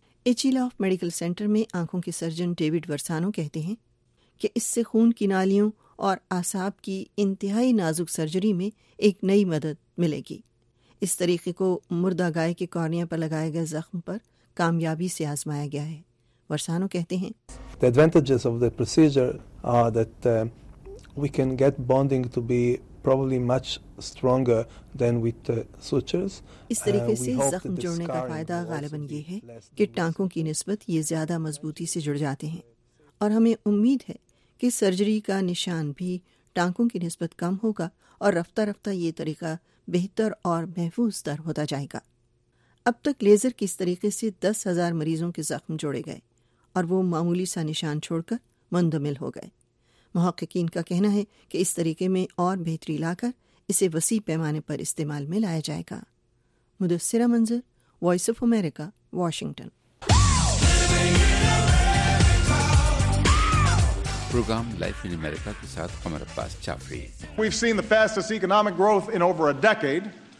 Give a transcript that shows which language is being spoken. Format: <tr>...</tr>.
<ur>ایچیل of medical centre میں آنکھوں کے سرجن ڈیوڈ ورسانو کہتے ہیں کہ اس سے خون کی نالیوں اور اعصاب کی انتہائی نازک سرجری میں ایک نئی مدد ملے گی. اس طریقے کو مردہ گائے کے کارنیا پر لگائے گئے زخم پر کامیابی سے آزمایا گیا ہے. ورسانو کہتے ہیں</ur> <en>The advantages of the procedure are that we can get bonding to be probably much stronger than with sutures.</en> <ur>اس طریقے سے زخم جوڑنے کا فائدہ غالباً یہ ہے کہ ٹانکوں کی نسبت یہ زیادہ مضبوطی سے جڑ جاتے ہیں اور ہمیں امید ہے کہ سرجری کا نشان بھی ٹانکوں کی نسبت کم ہوگا اور رفتہ رفتہ یہ طریقہ بہتر اور محفوظ تر ہوتا جائے گا. اب تک لیزر کے اس طریقے سے 10,000 مریضوں کے زخم جوڑے گئے اور وہ معمولی سا نشان چھوڑ کر مندمل ہو گئے. محققین کا کہنا ہے کہ اس طریقے میں اور بہتری لا کر اسے وسیع پیمانے پر استعمال میں لایا جائے گا. مدثرہ منظر, voice of America, Washington. Programme life ان امریکہ کے ساتھ قمر عباس چافری.</ur> <en>We've seen the fastest economic growth in over a decade.</en>